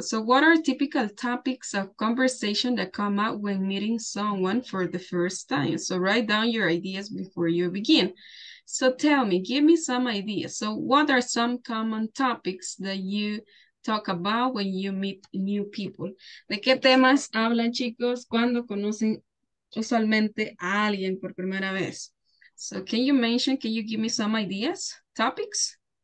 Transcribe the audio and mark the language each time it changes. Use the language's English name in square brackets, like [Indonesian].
[English] So, what are typical topics of conversation that come out when meeting someone for the first time? So, write down your ideas before you begin. So, tell me, give me some ideas. So, what are some common topics that you talk about when you meet new people? [Spanish] ¿De qué temas hablan, chicos, cuando conocen usualmente a alguien por primera vez? [English] So, can you mention, can you give me some ideas, topics?